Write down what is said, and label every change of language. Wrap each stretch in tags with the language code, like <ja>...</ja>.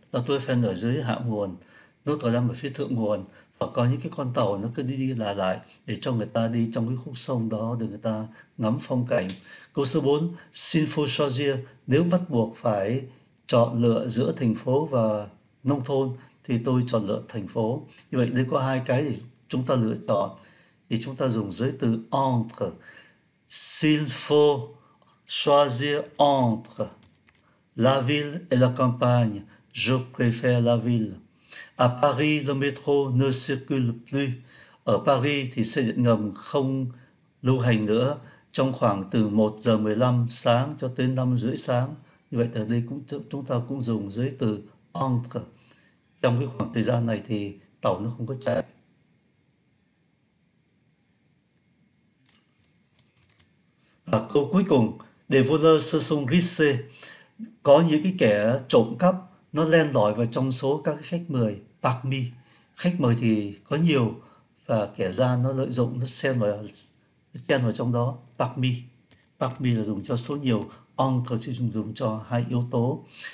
<vi>La Tour Eiffel ở dưới hạ nguồn, Notre Dame ở phía thượng nguồn, và có những cái con tàu nó cứ đi đi lại lại để cho người ta đi trong cái khúc sông đó để người ta ngắm phong cảnh. Câu số 4, xin phô choisir, nếu bắt buộc phải chọn lựa giữa thành phố và nông thôn thì tôi chọn lựa thành phố. Như vậy nếu có hai cái thì chúng ta lựa chọn thì chúng ta dùng giới từ entre.</vi> <fr>S'il faut choisir entre la ville et la campagne, je préfère la ville. À Paris, le métro ne circule plus.</fr> <vi>Ở Paris thì xe điện ngầm không lưu hành nữa trong khoảng từ 1 giờ 15 sáng cho tới 5 rưỡi sáng. Như vậy ở đây chúng ta cũng dùng giới từ entre. Trong cái khoảng thời gian này thì tàu nó không có chạy. Và câu cuối cùng,</vi> <fr>des voleurs se sont glissés.</fr> <vi>Có những cái kẻ trộm cắp nó len lỏi vào trong số các khách mời, parmi. Khách mời thì có nhiều và kẻ gian nó lợi dụng, nó xen vào trong đó, parmi. Parmi là dùng cho số nhiều, entre thì dùng cho hai yếu tố.</vi>